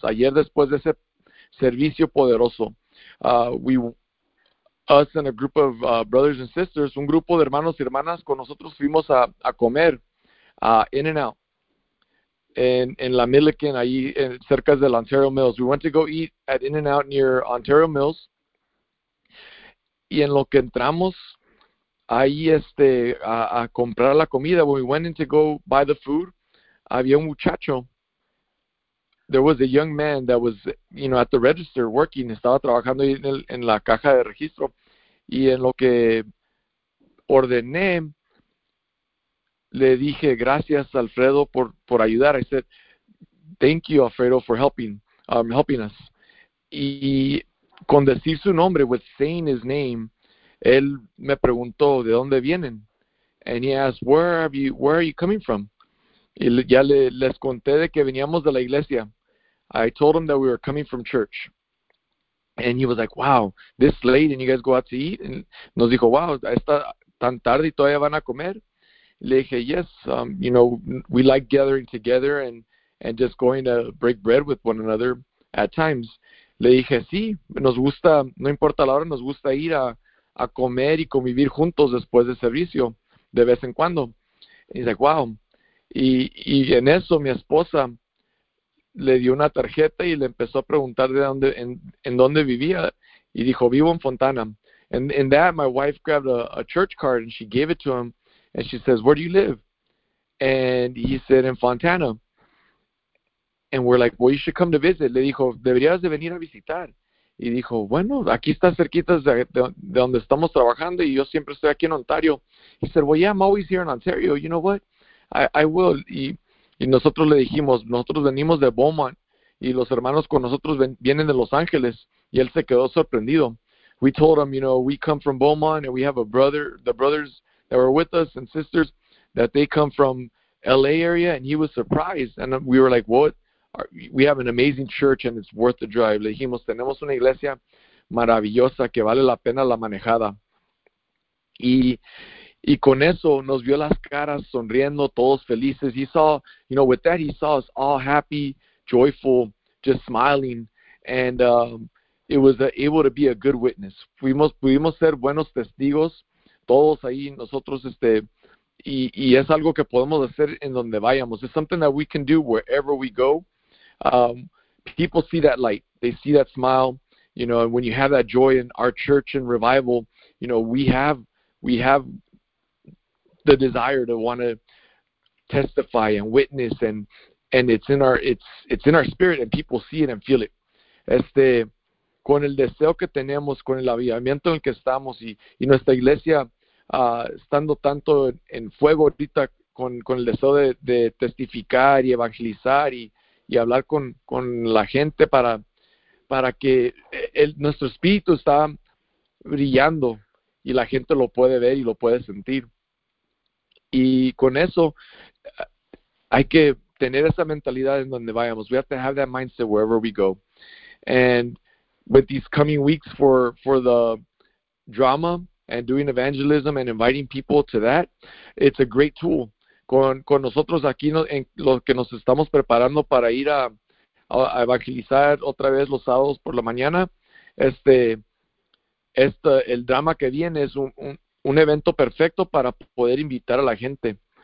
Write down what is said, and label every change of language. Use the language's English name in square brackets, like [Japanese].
[Spanish] Ayer después de ese servicio poderoso, [English] us and a group of brothers and sisters, [Spanish] un grupo de hermanos y hermanas con nosotros fuimos a comer In-N-Out en la Milliken, ahí cerca del Ontario Mills. [English] We went to go eat at In-N-Out near Ontario Mills. [Spanish] Y en lo que entramos ahí a comprar la comida, [English] we went in to go buy the food. [Spanish] Había un muchacho. [English] There was a young man that was, at the register working. [Spanish] Estaba trabajando ahí en la caja de registro. Y en lo que ordené, le dije, gracias, Alfredo, por ayudar. [English] I said, thank you, Alfredo, for helping us. [Spanish] Y con decir su nombre, [English] with saying his name, [Spanish] él me preguntó, ¿de dónde vienen? [English] And he asked, where are you coming from? [Spanish] Y ya les conté de que veníamos de la iglesia. [English] I told him that we were coming from church. And he was like, wow, this late and you guys go out to eat? [Spanish] And nos dijo, wow, está tan tarde y todavía van a comer. Le dije, [English] yes, we like gathering together and just going to break bread with one another at times. [Spanish] Le dije, sí, nos gusta, no importa la hora, nos gusta ir a comer y convivir juntos después del servicio, de vez en cuando. Y dice, like, wow. Y en eso mi esposa le dio una tarjeta y le empezó a preguntar de dónde, en dónde vivía. Y dijo, vivo en Fontana. [English] And in that, my wife grabbed a church card and she gave it to him. And she says, where do you live? And he said, in Fontana. And we're like, well, you should come to visit. [Spanish] Le dijo, deberías de venir a visitar. Y dijo, bueno, aquí está cerquita de donde estamos trabajando y yo siempre estoy aquí en Ontario. [English] He said, well, yeah, I'm always here in Ontario. You know what? I will. [Spanish] Y nosotros le dijimos, nosotros venimos de Beaumont y los hermanos con nosotros vienen de Los Ángeles. Y él se quedó sorprendido. [English] We told him, we come from Beaumont and we have a brother, the brothers that were with us and sisters, that they come from LA area. And he was surprised. And we were like, what? We have an amazing church and it's worth the drive. [Spanish] Le dijimos, tenemos una iglesia maravillosa que vale la pena la manejada. Y con eso nos vio las caras sonriendo, todos felices. [English] He saw, with that he saw us all happy, joyful, just smiling. And it was able to be a good witness. [Spanish] Pudimos ser buenos testigos, todos ahí nosotros, y es algo que podemos hacer en donde vayamos. [English] It's something that we can do wherever we go. People see that light. They see that smile. And when you have that joy in our church and revival, we have the desire to want to testify and witness, and it's in our spirit, and people see it and feel it. [Spanish] Con el deseo que tenemos, con el avivamiento en el que estamos, y nuestra iglesia estando tanto en fuego ahorita con el deseo de testificar y evangelizar y hablar con la gente para que nuestro espíritu está brillando y la gente lo puede ver y lo puede sentir. Y con eso hay que tener esa mentalidad en donde vayamos. [English] We have to have that mindset wherever we go. And with these coming weeks for the drama and doing evangelism and inviting people to that, it's a great tool. [Spanish] Con nosotros aquí en lo que nos estamos preparando para ir a evangelizar otra vez los sábados por la mañana, el drama que viene es un evento perfecto para poder invitar a la gente.